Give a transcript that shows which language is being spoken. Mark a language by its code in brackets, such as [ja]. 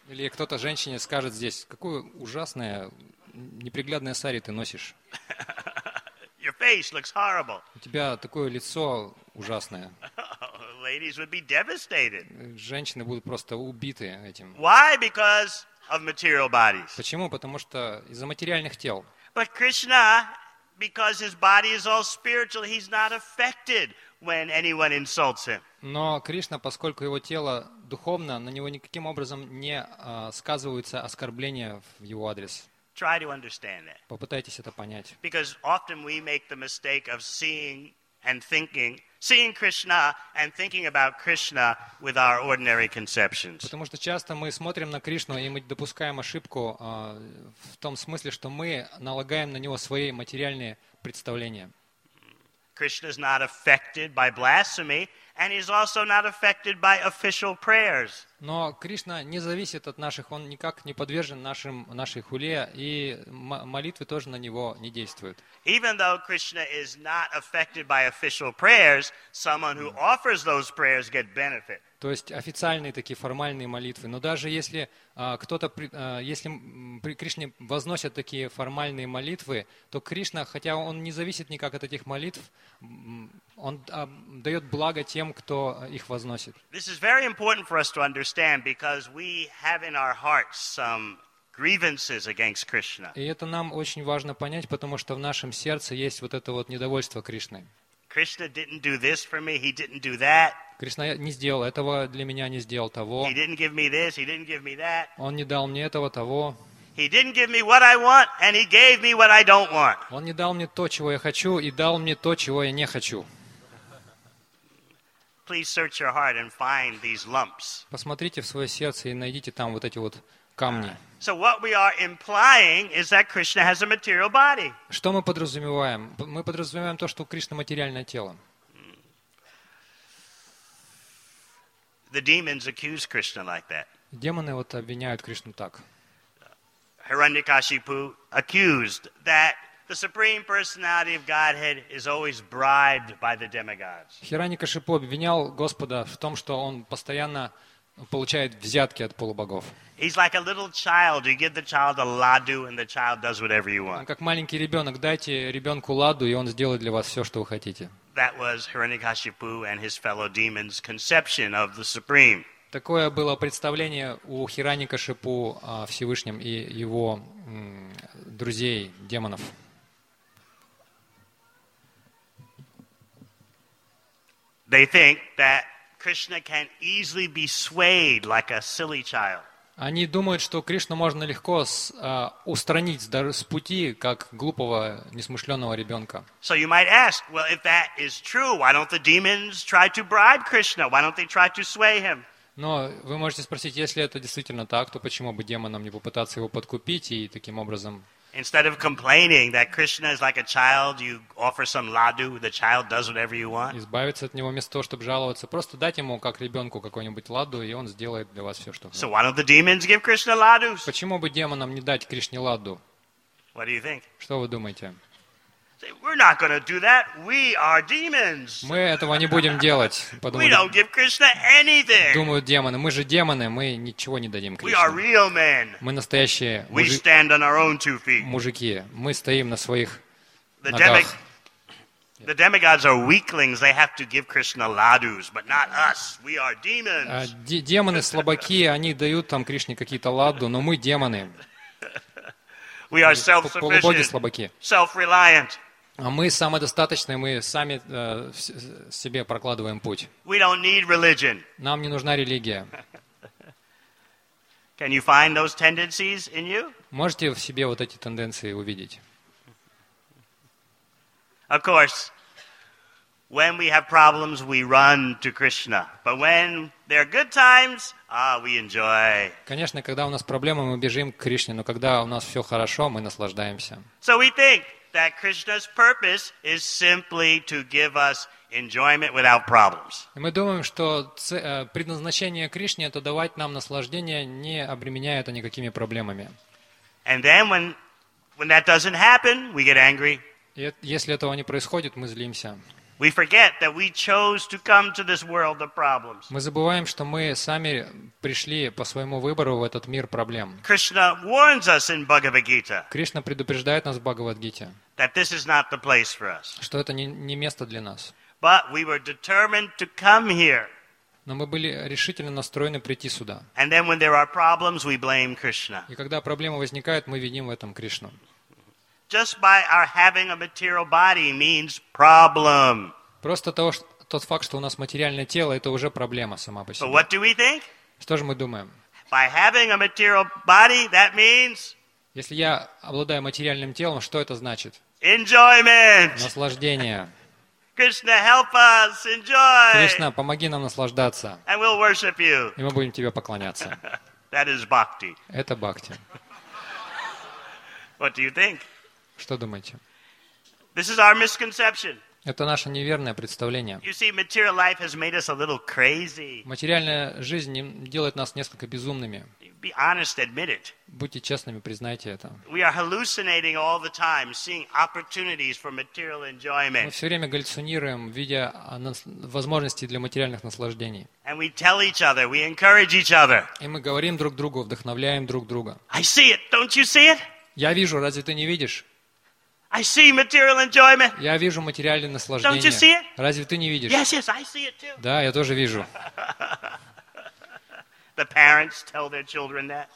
[ru] Или кто-то женщине скажет здесь, какую ужасное неприглядное сари ты носишь. [en] Your face looks horrible. [ru] У тебя такое лицо ужасное. [en] Ladies would be devastated. [ru] Женщины будут просто убиты этим. [en] Why? Because of material bodies. [ru] Почему? Потому что из-за материальных тел. [en] But Krishna, because his body is all spiritual, he's not affected when anyone insults him. [ru] Но Кришна, поскольку его тело духовно, на него никаким образом не сказываются оскорбления в его адрес. [en] Try to understand that. [ru] Попытайтесь это понять. [en] Because often we make the mistake of seeing and thinking seeing Krishna and thinking about Krishna with our ordinary conceptions. [ru] Потому что часто мы смотрим на Кришну и мы допускаем ошибку в том смысле, что мы налагаем на него свои материальные представления. [en] Krishna is not affected by blasphemy, and he's also not affected by official prayers. [ru] Но Кришна не зависит от наших, он никак не подвержен нашей хуле, и молитвы тоже на него не действуют. [en] Even though Krishna is not affected by official prayers, someone who offers those prayers get benefit. [ru] То есть официальные такие формальные молитвы. Но даже если кто-то, если при Кришне возносят такие формальные молитвы, то Кришна, хотя он не зависит никак от этих молитв, он дает благо тем, кто их возносит. [en] This is very important for us to understand because we have in our hearts some grievances against Krishna. [ru] И это нам очень важно понять, потому что в нашем сердце есть вот это вот недовольство Кришны. [en] Krishna didn't do this for me, he didn't do that. [ru] Кришна не сделал этого для меня, не сделал того. [en] He didn't give me this, he didn't give me that. [ru] Он не дал мне этого, того. [en] He didn't give me what I want, and he gave me what I don't want. [ru] Он не дал мне то, чего я хочу, и дал мне то, чего я не хочу. [en] Please search your heart and find these lumps. [ru] Посмотрите в свое сердце и найдите там вот эти вот камни. [en] So what we are implying is that Krishna has a material body. [ru] Что мы подразумеваем? Мы подразумеваем то, что у Кришны материальное тело. [en] The demons accuse Krishna like that. [ru] Демоны вот обвиняют Кришну так. [en] Hiranyakashipu accused that the supreme personality of Godhead is always bribed by the demigods. [ru] Hiranyakashipu обвинял Господа в том, что он постоянно получает взятки от полубогов. [en] He's like a little child. You give the child a ladu, and the child does whatever you want. [ru] Как маленький ребенок, дайте ребенку ладу, и он сделает для вас все, что вы хотите. [en] That was Hiranyakashipu and his fellow demons' conception of the supreme. [ru] Такое было представление у Хираньякашипу Всевышнем и его друзей демонов. [en] They think that Krishna can easily be swayed like a silly child. [ru] Они думают, что Кришну можно легко устранить даже с пути, как глупого, несмышленного ребенка. [en] So you might ask, well, if that is true, why don't the demons try to bribe Krishna? Why don't they try to sway him? [ru] Но вы можете спросить, если это действительно так, то почему бы демонам не попытаться его подкупить и таким образом? [en] Instead of complaining that Krishna is like a child, you offer some ladu, the child does whatever you want. [ru] Избавиться от него вместо того, чтобы жаловаться, просто дать ему как ребенку какой-нибудь ладу, и он сделает для вас все, что нужно. [en] So why don't the demons give Krishna ladus? [ru] Почему бы демонам не дать Кришне ладу? [en] What do you think? [ru] Что вы думаете? [en] We're not going to do that. We are demons. [ru] Мы этого не будем делать. [en] We don't give Krishna anything. [ru] Думают демоны. Мы же демоны. Мы ничего не дадим Кришне. [en] We are real men. [ru] Мы настоящие. [en] We stand on our own two feet. [ru] Мужики. Мы стоим на своих ногах. [en] The demigods are weaklings. They have to give Krishna ladus, but not us. We are demons. [ru] Демоны слабаки. Они дают там Кришне какие-то ладу, но мы демоны. [en] We are self-sufficient, self-reliant. [ru] А мы самодостаточные, мы сами себе прокладываем путь. [en] We don't need religion. [ru] Нам не нужна религия. [en] Can you find those tendencies in you? [ru] Можете в себе вот эти тенденции увидеть? [en] Of course, when we have problems, we run to Krishna. But when there are good times, we enjoy. [ru] Конечно, когда у нас проблемы, мы бежим к Кришне, но когда у нас все хорошо, мы наслаждаемся. [en] So we think that Krishna's purpose is simply to give us enjoyment without problems. [ru] Мы думаем, что предназначение Кришны это давать нам наслаждение, не обременяя это никакими проблемами. [en] And then when that doesn't happen, we get angry. [ru] Если этого не происходит, мы злимся. [en] We forget that we chose to come to this world of problems. [ru] Мы забываем, что мы сами пришли по своему выбору в этот мир проблем. [en] Krishna warns us in Bhagavad Gita. [ru] Кришна предупреждает нас в Бхагавад-гите. [en] That this is not the place for us. [ru] Что это не место для нас. [en] But we were determined to come here. [ru] Но мы были решительно настроены прийти сюда. [en] And then when there are problems, we blame Krishna. [ru] И когда проблемы возникают, мы виним в этом Кришну. [en] Just by our having a material body means problem. [ru] Просто тот факт, что у нас материальное тело, это уже проблема сама по себе. [en] So what do we think? [ru] Что же мы думаем? [en] By having a material body, that means. [ru] Если я обладаю материальным телом, что это значит? [en] Enjoyment. [ru] Наслаждение. [en] Krishna, help us enjoy. [ru] Кришна, помоги нам наслаждаться. [en] And we'll worship you. [ru] И мы будем тебе поклоняться. [en] That is bhakti. [ru] Это бхакти. [en] What do you think? [ru] Что думаете? [en] This is our misconception. [ru] Это наше неверное представление. [en] You see, material life has made us a little crazy. [ru] Материальная жизнь делает нас несколько безумными. [en] Be honest, admit it. [ru] Будьте честными, признайте это. [en] We are hallucinating all the time, seeing opportunities for material enjoyment. [ru] Мы все время галлюцинируем, видя возможности для материальных наслаждений. [en] And we tell each other, we encourage each other. [ru] И мы говорим друг другу, вдохновляем друг друга. [en] I see it, don't you see it? [ru] Я вижу, разве ты не видишь? [en] I see material enjoyment. [ru] Я вижу материальное наслаждение. [en] Don't you see it? [ru] Разве ты не видишь? [en] Yes, yes, I see it too. [ru] Да, я тоже вижу. [en] The parents tell their children that.